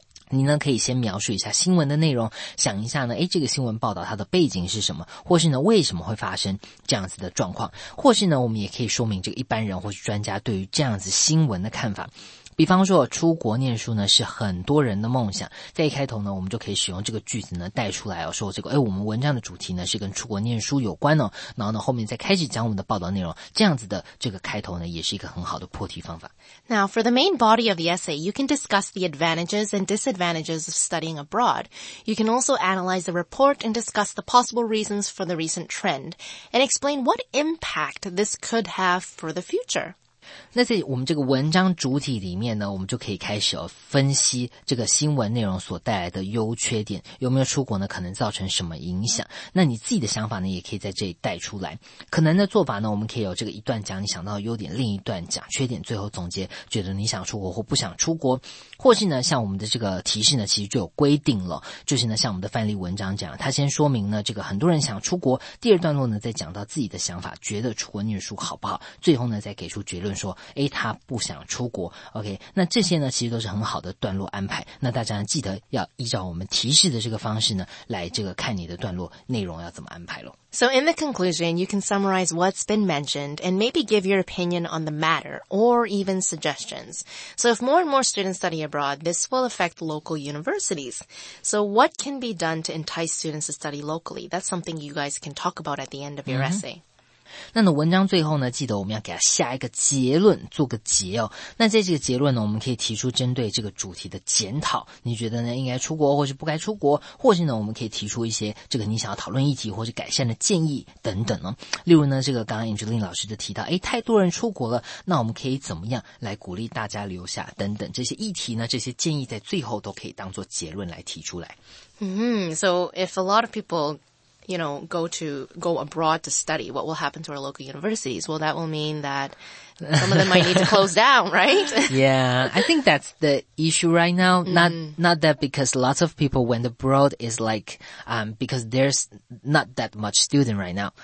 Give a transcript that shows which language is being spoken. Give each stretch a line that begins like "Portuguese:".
Chinese: 你呢可以先描述一下新闻的内容，想一下呢，这个新闻报道它的背景是什么，或是呢为什么会发生这样子的状况，或是呢我们也可以说明这个一般人或是专家对于这样子新闻的看法。比方说出国念书呢是很多人的梦想，在一开头呢我们就可以使用这个句子呢带出来，说这个我们文章的主题呢是跟出国念书有关哦，然后呢后面再开始讲我们的报道内容，这样子的这个开头呢也是一个很好的破题方法。
English: Now for the main body of the essay, you can discuss the advantages and disadvantages of studying abroad. You can also analyze the report and discuss the possible reasons for the recent trend and explain what impact this could have for the future.
Chinese: 那在我们这个文章主体里面呢，我们就可以开始分析这个新闻内容所带来的优缺点，有没有出国呢可能造成什么影响。那你自己的想法呢也可以在这里带出来，可能的做法呢我们可以有这个一段讲你想到的优点，另一段讲缺点，最后总结觉得你想出国或不想出国。或是呢像我们的这个提示呢其实就有规定了，就是呢像我们的范例文章这样，他先说明呢这个很多人想出国，第二段落呢再讲到自己的想法，觉得出国念书好不好，最后呢再给出结论说他不想出国。 OK， 那这些呢其实都是很好的段落安排，那大家记得要依照我们提示的这个方式呢来这个看你的段落内容要怎么安排咯。
English: So in the conclusion, you can summarize what's been mentioned and maybe give your opinion on the matter or even suggestions. So if more and more students study abroad, this will affect local universities. So what can be done to entice students to study locally? That's something you guys can talk about at the end of your essay.
Chinese: 那呢文章最后呢记得我们要给它下一个结论做个结哦。那在这个结论呢我们可以提出针对这个主题的检讨，你觉得呢应该出国或是不该出国，或是呢我们可以提出一些这个你想要讨论议题或是改善的建议等等哦。例如呢这个刚刚 Angeline 老师就提到太多人出国了，那我们可以怎么样来鼓励大家留下等等，这些议题呢这些建议在最后都可以当做结论来提出来。
English: So if a lot of peopleGo abroad to study, what will happen to our local universities? Well, that will mean that some of them might need to close down, right? Yeah, I think that's the issue right now. Not that because lots of people went abroad is like, because there's not that much student right now.